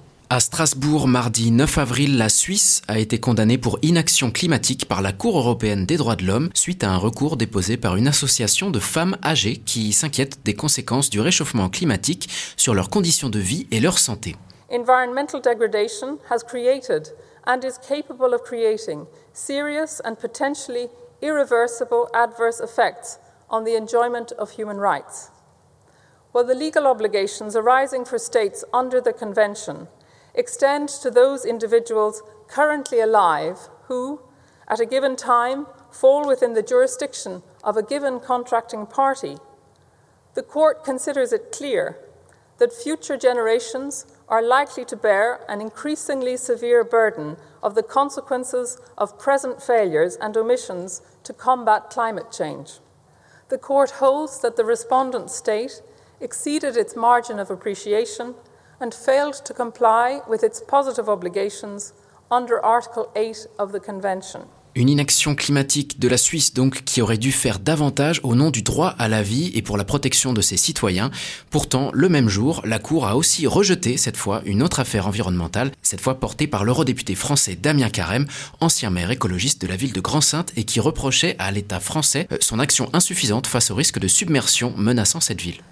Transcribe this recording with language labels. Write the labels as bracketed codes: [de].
[fr] À Strasbourg, mardi 9 avril, la Suisse a été condamnée pour inaction climatique par la Cour européenne des droits de l'homme suite à un recours déposé par une association de femmes âgées qui s'inquiètent des conséquences du réchauffement climatique sur leurs conditions de vie et leur santé. [en] Environmental degradation has created and is capable of creating serious and potentially irreversible adverse effects on the enjoyment of human rights. While the legal obligations arising for states under the convention extend to those individuals currently alive who, at a given time, fall within the jurisdiction of a given contracting party, the court considers it clear that future generations are likely to bear an increasingly severe burden of the consequences of present failures and omissions to combat climate change. The court holds that the respondent state exceeded its margin of appreciation and failed to comply with its positive obligations under Article 8 of the Convention. [fr] Une inaction climatique de la Suisse donc qui aurait dû faire davantage au nom du droit à la vie et pour la protection de ses citoyens. Pourtant, le même jour, la Cour a aussi rejeté cette fois une autre affaire environnementale, cette fois portée par l'eurodéputé français Damien Carême, ancien maire écologiste de la ville de Grand-Synthe et qui reprochait à l'État français son action insuffisante face au risque de submersion menaçant cette ville.